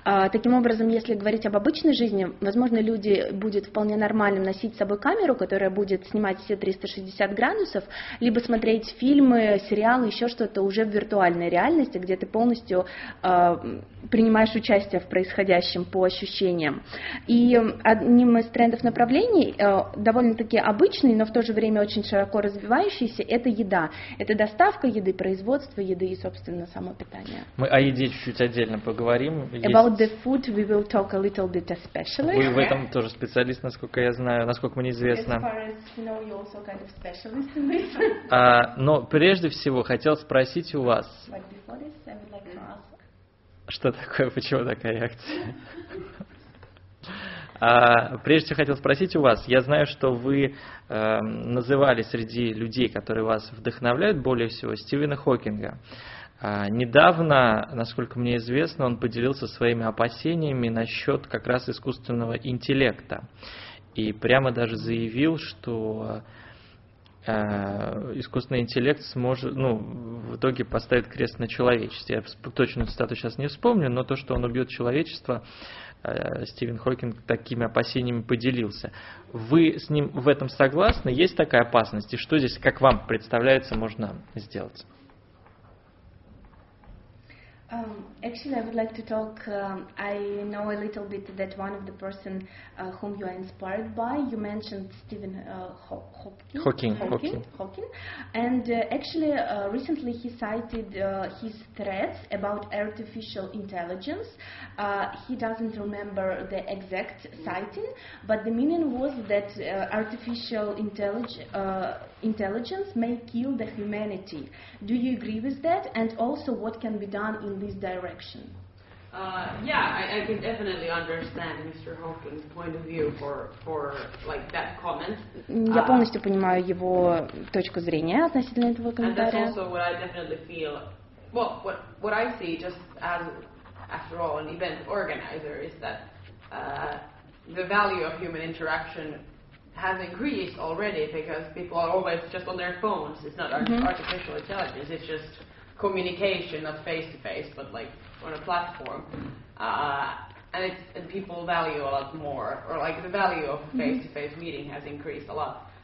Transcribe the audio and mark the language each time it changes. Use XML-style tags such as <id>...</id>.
<ru>Таким образом, если говорить об обычной жизни, возможно, люди будет вполне нормальным носить с собой камеру, которая будет снимать все 360 градусов, либо смотреть фильмы, сериалы, еще что-то уже в виртуальной реальности, где ты полностью принимаешь участие в происходящем по ощущениям. И одним из трендов направлений, довольно-таки обычный, но в то же время очень широко развивающийся, это еда. Это доставка еды, производство еды и, собственно, само питание. Мы о еде чуть-чуть отдельно поговорим.</ru> <en>About the food we will talk a little bit especially.</en> <ru>Вы в этом тоже специалист, насколько я знаю, насколько мне известно.</ru> <en>As far as you know, you're also kind of specialist in this.</en> <ru>Но прежде всего хотел спросить у вас.</ru> <en>But before this, I would like to ask.</en> <ru>Что такое? Почему такая реакция? Прежде всего, хотел спросить у вас, я знаю, что вы называли среди людей, которые вас вдохновляют, более всего Стивена Хокинга. Недавно, насколько мне известно, он поделился своими опасениями насчет как раз искусственного интеллекта. И прямо даже заявил, что искусственный интеллект сможет, ну, в итоге поставит крест на человечестве. Я точную цитату сейчас не вспомню, но то, что он убьет человечество, Стивен Хокинг такими опасениями поделился. Вы с ним в этом согласны? Есть такая опасность? И что здесь, как вам представляется, можно сделать?</ru> <en>Actually, I would like to talk. I know a little bit that one of the person whom you are inspired by, you mentioned Stephen Hawking. And actually, recently he cited his threats about artificial intelligence. He doesn't remember the exact citing, but the meaning was that artificial intelligence may kill the humanity. Do you agree with that? And also, what can be done in this direction? I can definitely understand Mr. Hawking's point of view for like that comment.</en> <ru>Я полностью понимаю его точку зрения относительно этого комментария.</ru> <en>And that's also what I definitely feel. Well, what I see, just as after all an event organizer, is that the value of human interaction has increased already, because people are always just on their phones. It's not artificial intelligence. It's just communication, not face to face, but like on a platform, and people value a lot more, or like the value of a face to face meeting has increased a lot.</en>